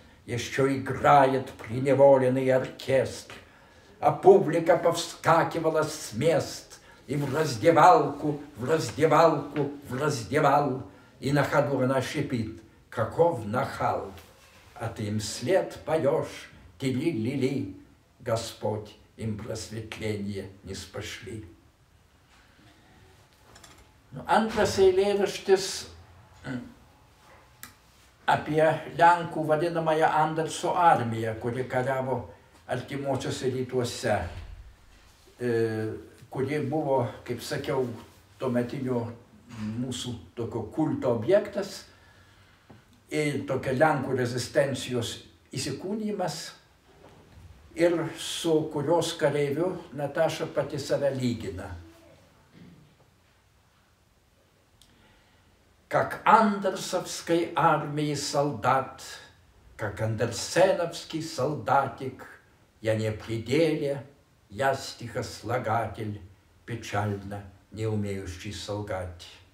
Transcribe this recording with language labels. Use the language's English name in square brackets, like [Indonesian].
[Russian] Еще играет преневоленный оркестр, а публика повскакивала с мест, и в раздевалку, в раздевалку, в раздевал, и на ходу она шипит, каков нахал, а ты им след поешь, тили-лили, Господь, им просветление не спошли. [Lithuanian] Antras eilėraštis apie Lenkų vadinamąją Anderso armiją, kuri kariavo artimuosiuose rytuose, kuri buvo, kaip sakiau, tuometinio mūsų tokio kulto objektas ir tokia Lenkų rezistencijos įsikūnymas, ir su kurios kareiviu Nataša pati save lygina. [Russian] Как Андерсовской армии солдат, как Андерсеновский солдатик, я не пределе, я стихослагатель, печально не умеющий солгать.